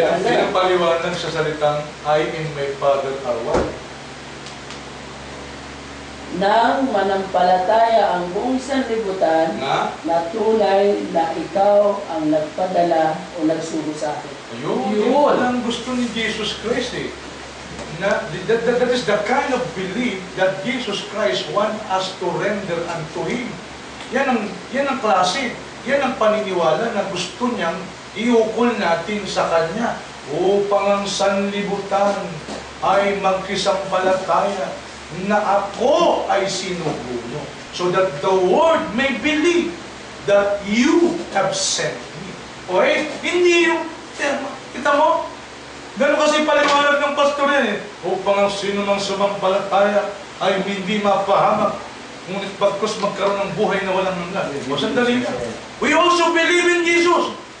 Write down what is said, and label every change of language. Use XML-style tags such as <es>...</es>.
<tl>Yeah. Yung paliwanag sa salitang</tl> <en>I and my Father are one.</en> <tl>Nang manampalataya ang buong sanlibutan na tunay na ikaw ang nagpadala o nagsugo sa akin. Yun ang gusto ni Jesus Christ eh.</tl> <en>That is the kind of belief that Jesus Christ wants us to render unto Him.</en> <tl>Yan ang klase, yan ang paniniwala na gusto niyang iukol natin sa Kanya upang ang sanlibutan ay magkisampalataya na ako ay sinugo mo,</tl> <en>so that the world may believe that you have sent me.</en> <tl>Okay? Hindi yung tema. Kita mo? Ganun kasi paliwanag ng pastor yan eh. Upang ang sino mang sumampalataya ay hindi mapahamak, ngunit bagkos magkaroon ng buhay na walang hanggan. O sandali na.</tl> <en>We also believe in Jesus.</en>